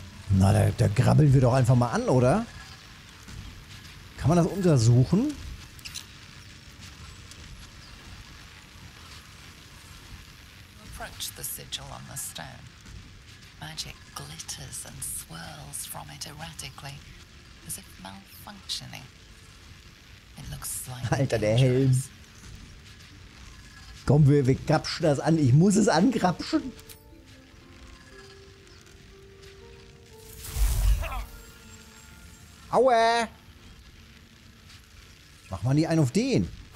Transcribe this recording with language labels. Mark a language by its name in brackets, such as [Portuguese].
[German] Na, da grabbeln wir doch einfach mal an, oder? Kann man das untersuchen? [English] Approach the sigil on the stone. Magic glitters and swirls from it erratically, as if malfunctioning. It looks slightly dangerous. [German] Alter, der Helm. Komm, wir grapschen das an. Ich muss es angrapschen. Aua! Mach mal nicht einen auf den.